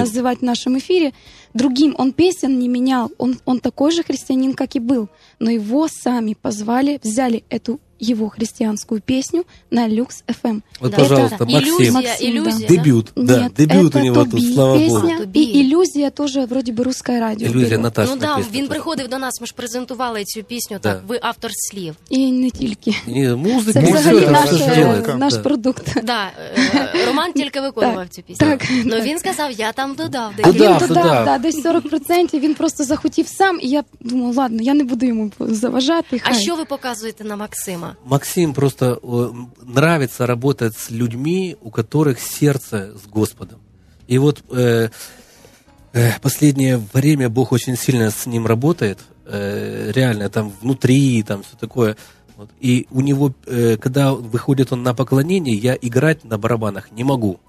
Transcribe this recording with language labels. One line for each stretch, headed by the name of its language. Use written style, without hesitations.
Russian: Буду называть в нашем эфире, другим, он песен не менял, он такой же христианин, как и был, но его сами позвали, взяли эту его христианскую песню на Люкс ФМ. Вот, да. Пожалуйста, Максим. Иллюзия, да. Дебют. Нет, да, дебют у него тут, слава Богу. Песня, и Иллюзия тоже вроде бы русское радио. Иллюзия Наташа.
Ukrainian: Ну да, він приходив до нас, ми ж презентували цю пісню, так, ви автор слів. І не тільки. Ні, музика, це взагалі наш продукт. Да, Роман тільки виконував цю пісню. Так. Ну він сказав, я там додав. Він додав, так, десь 40%, він просто захотів сам, і я думаю, ладно, я не буду йому заважати. А що ви показуєте на Максима?
Russian: Максим просто нравится работать с людьми, у которых сердце с Господом. И вот последнее время Бог очень сильно с ним работает, реально, там внутри, там все такое. Вот. И у него, когда выходит он на поклонение, я играть на барабанах не могу.